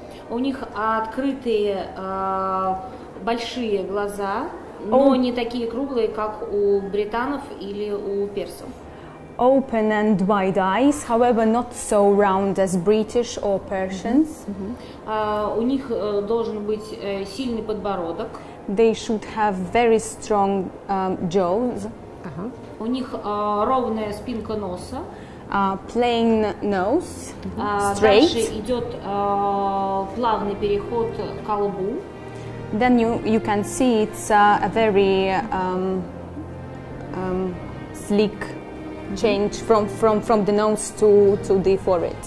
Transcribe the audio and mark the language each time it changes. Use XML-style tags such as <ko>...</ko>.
<ru>У них открытые большие глаза, но не такие круглые, как у британцев или у персов.</ru> <en>Open and wide eyes, however, not so round as British or Persians.</en> <ru>У них должен быть сильный подбородок.</ru> <en>They should have very strong jaws.</en> <ru>У них ровная спинка носа.</ru> <en>Plain nose. Straight.</en> <ru>Дальше идет плавный переход к лбу.</ru> <en>Then you can see it's a very sleek change from the nose to the forehead.</en>